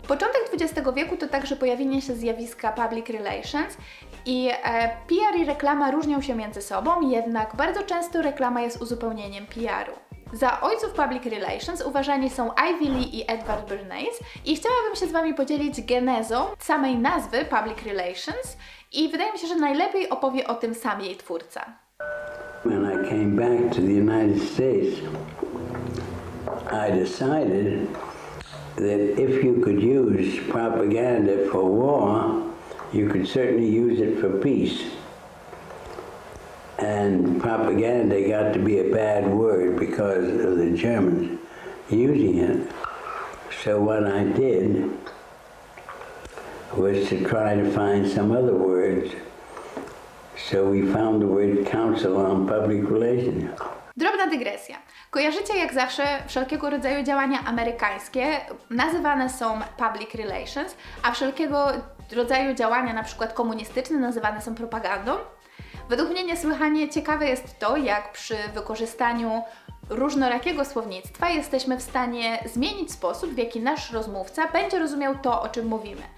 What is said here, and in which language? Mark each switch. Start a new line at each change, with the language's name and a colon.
Polish: Początek XX wieku to także pojawienie się zjawiska public relations i PR i reklama różnią się między sobą, jednak bardzo często reklama jest uzupełnieniem PR-u. Za ojców public relations uważani są Ivy Lee i Edward Bernays i chciałabym się z Wami podzielić genezą samej nazwy public relations i wydaje mi się, że najlepiej opowie o tym sam jej twórca.
English: When I came back to the United States, I decided that if you could use propaganda for war, you could certainly use it for peace. And propaganda got to be a bad word because of the Germans using it. So what I did was to try to find some other words. So we found the word council on public relations.
Polish: Drobna dygresja. Kojarzycie jak zawsze wszelkiego rodzaju działania amerykańskie nazywane są public relations, a wszelkiego rodzaju działania na przykład komunistyczne nazywane są propagandą? Według mnie niesłychanie ciekawe jest to, jak przy wykorzystaniu różnorakiego słownictwa jesteśmy w stanie zmienić sposób, w jaki nasz rozmówca będzie rozumiał to, o czym mówimy.